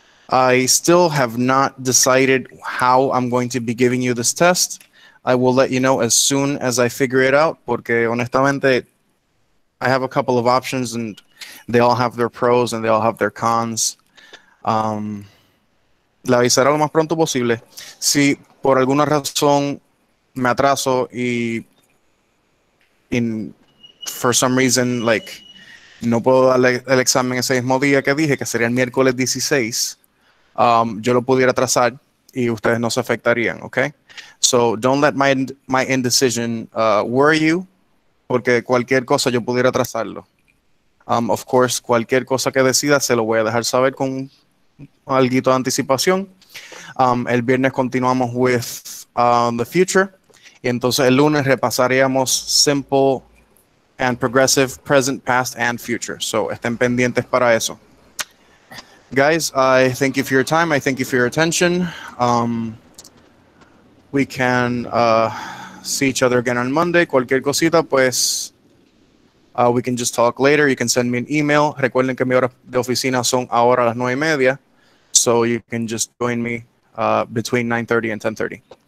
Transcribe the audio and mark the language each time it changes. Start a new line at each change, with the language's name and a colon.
English: I still have not decided how I'm going to be giving you this test. I will let you know as soon as I figure it out,
Spanish: porque honestamente,
English: I have a couple of options and they all have their pros and they all have their cons.
Spanish: La avisaré lo más pronto posible. Si por alguna razón me atraso y
English: for some reason, like,
Spanish: no puedo dar el examen ese mismo día que dije, que sería el miércoles 16. Yo lo pudiera trazar y ustedes no se afectarían, okay?
English: So don't let my indecision worry you,
Spanish: porque cualquier cosa yo pudiera trazarlo.
English: Of course,
Spanish: cualquier cosa que decida se lo voy a dejar saber con alguito de anticipación. El viernes continuamos
English: with the future.
Spanish: Y entonces el lunes repasaríamos
English: simple and progressive present, past, and future.
Spanish: So estén pendientes para eso.
English: guys, I thank you for your time. I thank you for your attention. We can see each other again on Monday.
Spanish: Cualquier cosita, pues,
English: we can just talk later. You can send me an email.
Spanish: Recuerden que mi hora de oficina son ahora las 9:30.
English: So you can just join me between 9:30 and 10:30.